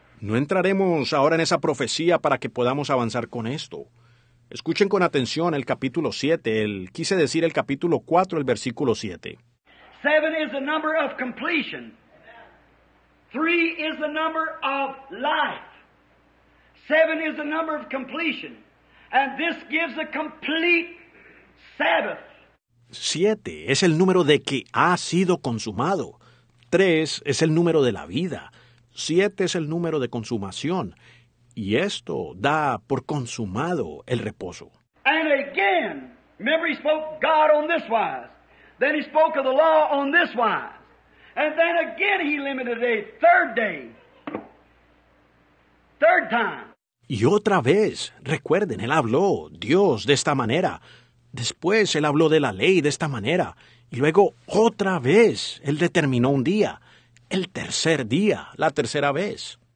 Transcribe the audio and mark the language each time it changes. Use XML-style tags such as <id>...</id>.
<es>No entraremos ahora en esa profecía para que podamos avanzar con esto. Escuchen con atención el capítulo 7, el capítulo 4, el versículo 7.</es> <en>7 is the number of completion. 3 is the number of life. 7 is the number of completion. And this gives a complete Sabbath.</en> <es>7 es el número de que ha sido consumado. 3 es el número de la vida. 7 es el número de consumación. Y esto da por consumado el reposo.</es> <en>And again, remember he spoke God on this wise. Then he spoke of the law on this wise. And then again he limited a third day. Third time.</en> <es>Y otra vez, recuerden, él habló Dios de esta manera. Después él habló de la ley de esta manera. Y luego otra vez él determinó un día. El tercer día, la tercera vez.</es>